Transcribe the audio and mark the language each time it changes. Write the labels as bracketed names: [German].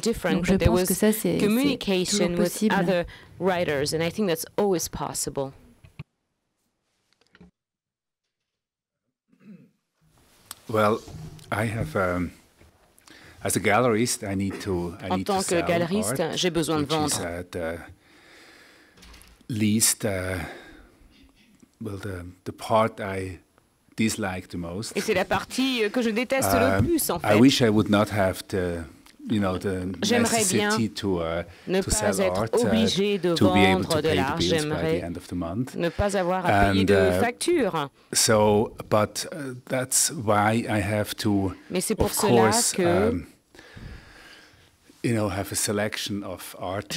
[French] Donc je pense que ça, c'est [English] communication with other writers, and I think that's always possible. Well, I have as a gallerist, [French] en tant que galeriste, j'ai besoin de vendre. [English] Which is at least, the part I dislike the most. [French] Et c'est la partie que je déteste le plus, en fait. [English] I wish I would not have to. You know, the necessity to sell art, to be able to pay the bills [French] j'aimerais [English] by the end of the month. [French] Ne pas avoir à payer de factures. [English] So, but that's why I have to, of course, have a selection of artists.